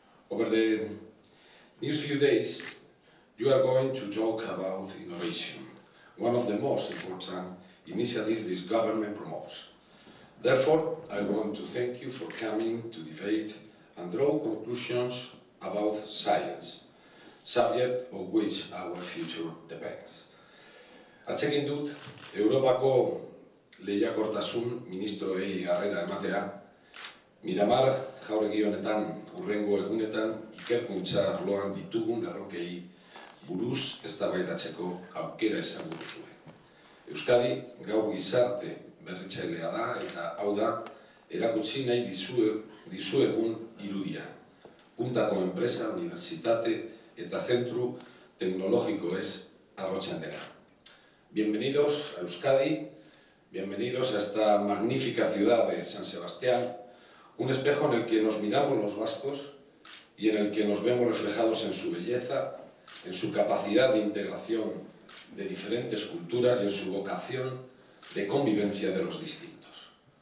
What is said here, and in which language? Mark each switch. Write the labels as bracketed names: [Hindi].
[English] Over the next few days, you are going to talk about innovation, one of the most important initiatives this government promotes. Therefore, I want to thank you for coming to debate and draw conclusions about science, subject on which our future depends. [Basque] Atsegin dut, Europako lehiakortasun ministroei harrera ematea, Miramar jauregi honetan, urrengo egunetan, ikerkuntza arloan ditugun erronkei buruz eztabaidatzeko aukera izango duzue. Euskadi gaur gizarte berritzailea da eta hau da erakutsi nahi dizuegun irudia. Puntako enpresa, unibertsitate eta zentru teknologiko ez arrotzen dena. [Spanish] Bienvenidos a Euskadi, bienvenidos a esta magnífica ciudad de San Sebastián, un espejo en el que nos miramos los vascos y en el que nos vemos reflejados en su belleza, en su capacidad de integración de diferentes culturas y en su vocación de convivencia de los distintos.